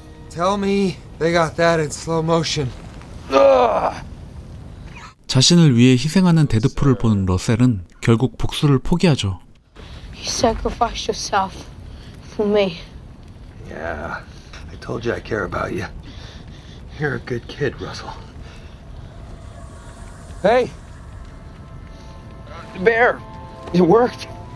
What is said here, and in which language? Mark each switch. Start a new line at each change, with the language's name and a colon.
English: Tell me they got that in slow motion.
Korean: 자신을 위해 희생하는 데드풀을 본 러셀은 결국 복수를 포기하죠.
English: You sacrificed yourself for me. Yeah, I told you I care about you. You're a good kid, Russell. Hey! The bear! It worked!